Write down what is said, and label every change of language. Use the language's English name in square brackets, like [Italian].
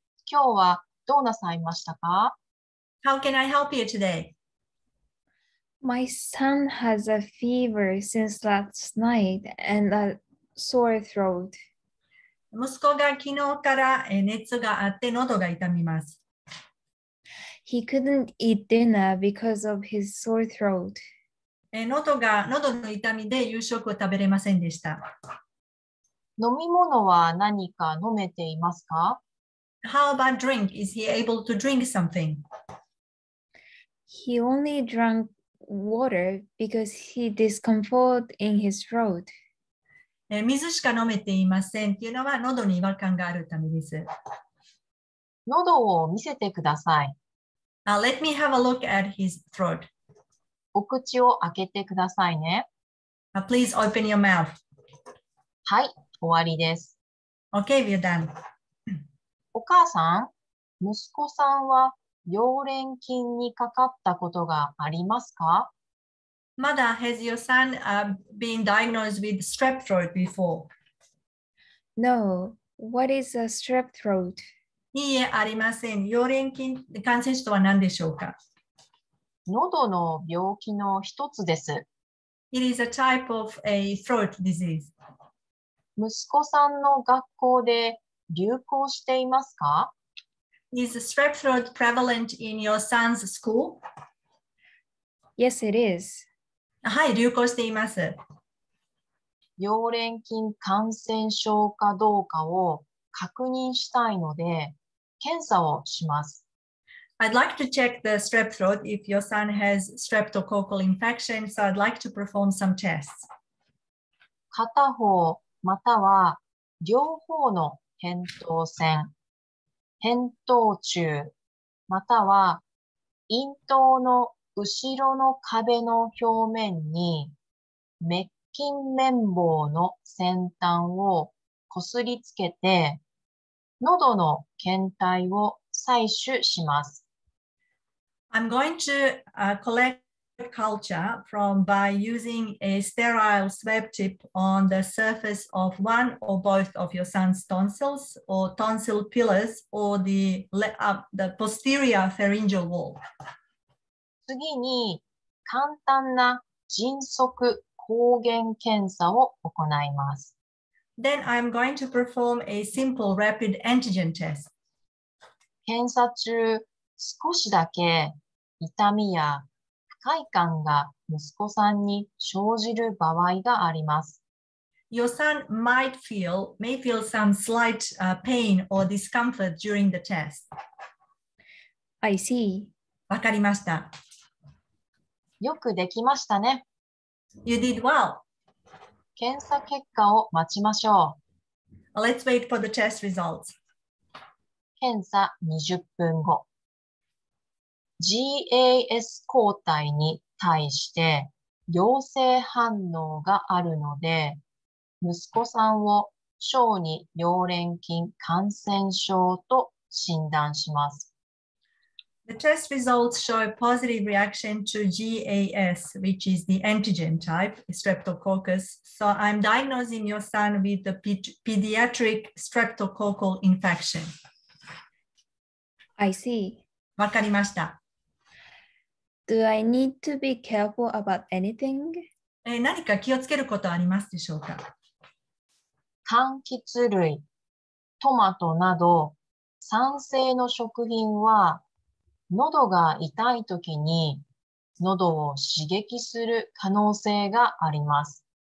[Japanese] 今日はどうなさいましたか？ [English] How can I help you today? My son has a fever since last night and a sore throat. [Japanese] 息子が昨日から熱があって喉が痛みます。 [English] He couldn't eat dinner because of his sore throat. [Japanese] 喉の痛みで夕食を食べれませんでした。飲み物は何か飲めていますか？ [English] How about drink? Is he able to drink something? He only drank water because he discomfort in his throat. [Japanese] 水しか飲めていませんっていうのは喉に違和感があるためです。喉を見せてください。 [English] Let me have a look at his throat. [Japanese] お口を開けてくださいね。 [English] Please open your mouth. [Japanese] はい、終わりです。 [English] Okay, we're done. [Japanese] お母さん、息子さんは溶連菌にかかったことがありますか？ [English] Mother, has your son been diagnosed with strep throat before? No. What is a strep throat? [Japanese] いいえ、ありません。溶連菌感染症とは何でしょうか？喉の病気の一つです。 [English] It is a type of a throat disease. [Japanese] 息子さんの学校で流行していますか？ [English] Is strep throat prevalent in your son's school? Yes, it is. [Japanese] はい、流行しています。溶連菌感染症かどうかを確認したいので検査をします。 [English] I'd like to check the strep throat if your son has streptococcal infection, so I'd like to perform some tests. [Japanese] 片方または両方の扁桃腺、扁桃中または咽頭の後ろの壁の表面に滅菌綿棒の先端をこすりつけて喉の検体を採取します。 [English] I'm going to collect culture from by using a sterile swab tip on the surface of one or both of your son's tonsils or tonsil pillars or the posterior pharyngeal wall. [Japanese] 次に簡単な迅速抗原検査を行います。 [English] Then I'm going to perform a simple rapid antigen test. [Japanese] 検査中、少しだけ痛みや不快感が息子さんに生じる場合があります。 [English] Your son may feel some slight pain or discomfort during the test. I see. [Japanese] わかりました。よくできましたね。 [English] You did well. [Japanese] 検査結果を待ちましょう。 [English] Let's wait for the test results. [Japanese] 検査20分後。 GAS 抗体に対して陽性反応があるので、息子さんを小児溶連菌感染症と診断します。 [English] The test results show a positive reaction to GAS, which is the antigen type, streptococcus. So I'm diagnosing your son with the pediatric streptococcal infection. I see. [Japanese] わかりました。 [English] Do I need to be careful about anything? [Japanese] 何か気をつけることありますでしょうか？柑橘類、トマトなど酸性の食品は喉が痛いときに喉を刺激する可能性があります。